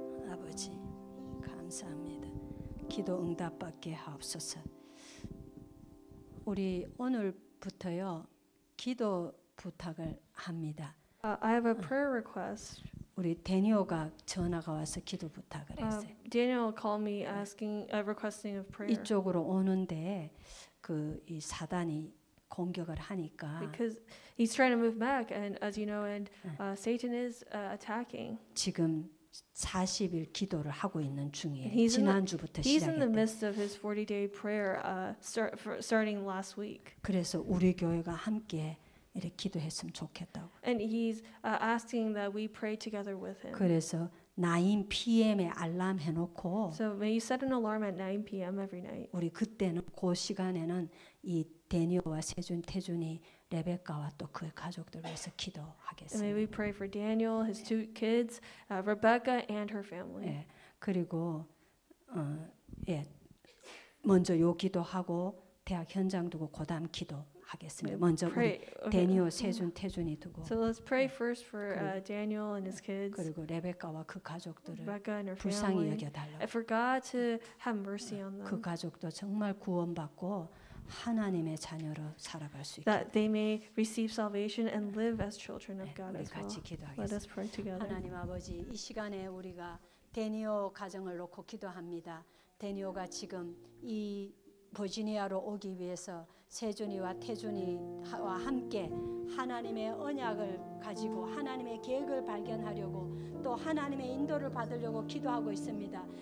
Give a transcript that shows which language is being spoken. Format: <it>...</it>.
<ko>아버지 감사합니다. 기도 응답받게 하옵소서. 우리 오늘부터요 기도 부탁을 합니다.</ko> <en>I have a prayer request.</en> <ko>우리 대니오가 전화가 와서 기도 부탁을 했어요.</ko> <en>Daniel called me asking, requesting of prayer.</en> <ko>이쪽으로 오는데 그 이 사단이 공격을 하니까.</ko> <en>Because he's trying to move back, and as you know, and Satan is attacking.</en> <ko>지금 40일 기도를 하고 있는 중이에요. 지난주부터 시작.</ko> <en>He's in the midst of his 40-day prayer, starting last week.</en> <ko>그래서 우리 교회가 함께 이렇게 기도했으면 좋겠다고.</ko> <en>And he's asking that we pray together with him.</en> <ko>그래서 9 p.m.에 알람 해놓고.</ko> <en>So may you set an alarm at 9 p.m. every night.</en> <ko>우리 그때는 그 시간에는 이 데니오와 세준, 태준이, 레베카와 또 그의 가족들 위해서 기도하겠습니다.</ko> <en>And may we pray for Daniel, his two kids, Rebecca, and her family.</en> <ko>예, 그리고 예, 먼저 요 기도하고 대학 현장 두고 그다음 기도. 하겠습니다. 먼저 우리 데니오, 세준, 태준이 두고.</ko> <en>So let's pray first for Daniel and his kids.</en> <ko>그리고 레베카와 그 가족들을 불쌍히 여겨달라고.</ko> <en>For God to have mercy on them.</en> <ko>그 가족도 정말 구원받고 하나님의 자녀로 살아갈 수 있게.</ko> <en>That they may receive salvation and live as children of God as well.</en> <ko>우리 같이 기도하겠습니다.</ko> <en>Let us pray together.</en> <ko>하나님 아버지, 이 시간에 우리가 데니오 가정을 놓고 기도합니다. 데니오가 지금 이 버지니아로 오기 위해서 세준이와 태준이와 함께 하나님의 언약을 가지고 하나님의 계획을 발견하려고 또 하나님의 인도를 받으려고 기도하고 있습니다.</ko>